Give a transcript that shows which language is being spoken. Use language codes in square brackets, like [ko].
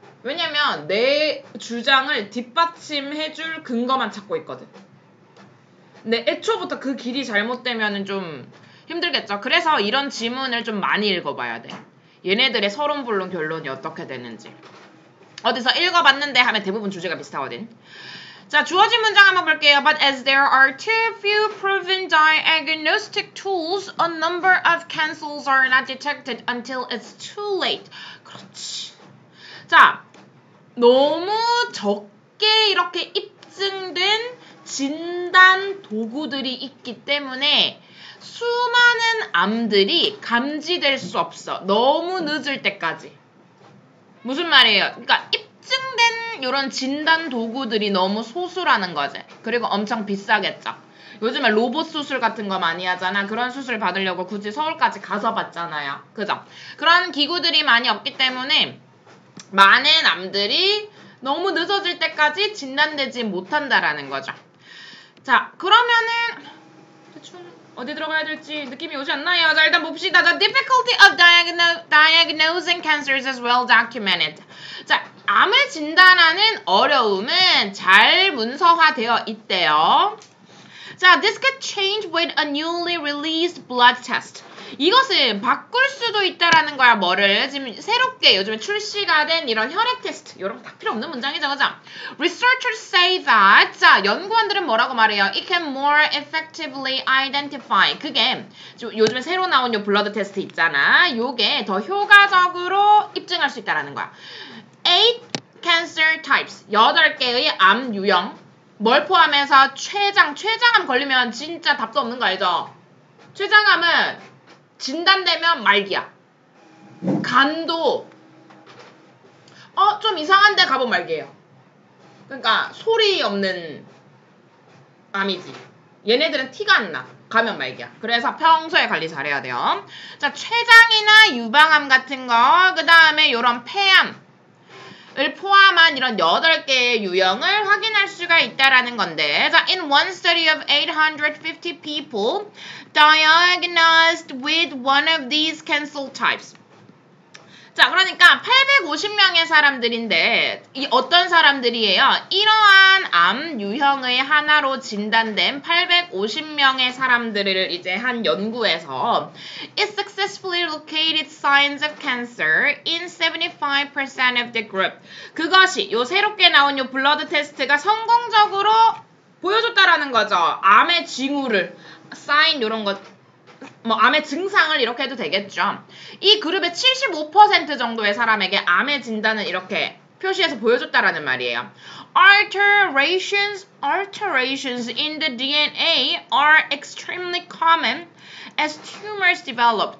[ko] 왜냐면 내 주장을 뒷받침해줄 근거만 찾고 있거든. 근데 애초부터 그 길이 잘못되면 좀 힘들겠죠. 그래서 이런 지문을 좀 많이 읽어봐야 돼. 얘네들의 서론불론 결론이 어떻게 되는지. 어디서 읽어봤는데 하면 대부분 주제가 비슷하거든. 자, 주어진 문장 한번 볼게요. [en] But as there are too few proven diagnostic tools, a number of cancers are not detected until it's too late. [ko] 그렇지. 자, 너무 적게 이렇게 입증된 진단 도구들이 있기 때문에 수많은 암들이 감지될 수 없어. 너무 늦을 때까지. 무슨 말이에요? 그러니까 입증된 이런 진단 도구들이 너무 소수라는 거지. 그리고 엄청 비싸겠죠. 요즘에 로봇 수술 같은 거 많이 하잖아. 그런 수술 받으려고 굳이 서울까지 가서 받잖아요. 그죠? 그런 기구들이 많이 없기 때문에 많은 암들이 너무 늦어질 때까지 진단되지 못한다라는 거죠. 자, 그러면은 대충 어디 들어가야 될지 느낌이 오지 않나요? 자, 일단 봅시다. [en] The difficulty of diagnosing cancers is well documented. [ko] 자, 암을 진단하는 어려움은 잘 문서화되어 있대요. [en] 자, this could change with a newly released blood test. [ko] 이것은 바꿀 수도 있다라는 거야, 뭐를. 지금 새롭게 요즘에 출시가 된 이런 혈액 테스트. 이런 거 다 필요 없는 문장이죠, 그죠? [en] Researchers say that. [ko] 자, 연구원들은 뭐라고 말해요? [en] It can more effectively identify. [ko] 그게 요즘에 새로 나온 요 블러드 테스트 있잖아. 요게 더 효과적으로 입증할 수 있다라는 거야. [en] 8 cancer types. [ko] 8개의 암 유형. 뭘 포함해서 췌장. 췌장암 걸리면 진짜 답도 없는 거 알죠? 췌장암은 진단되면 말기야. 간도 좀 이상한데 가본 말기예요. 그러니까 소리 없는 암이지. 얘네들은 티가 안 나. 가면 말기야. 그래서 평소에 관리 잘해야 돼요. 자, 췌장이나 유방암 같은 거, 그 다음에 이런 폐암을 포함한 이런 8개의 유형을 확인할 수가 있다라는 건데. [en] 자, in one study of 850 people diagnosed with one of these cancer types. [ko] 자, 그러니까 850명의 사람들인데 이 어떤 사람들이에요? 이러한 암 유형의 하나로 진단된 850명의 사람들을 이제 한 연구에서 [en] it successfully located signs of cancer in 75% of the group. [ko] 그것이 요 새롭게 나온 요 블러드 테스트가 성공적으로 보여줬다라는 거죠. 암의 징후를 사인 이런 것, 뭐 암의 증상을 이렇게 해도 되겠죠. 이 그룹의 75% 정도의 사람에게 암의 진단을 이렇게 표시해서 보여줬다라는 말이에요. [en] Alterations in the DNA are extremely common as tumors develop.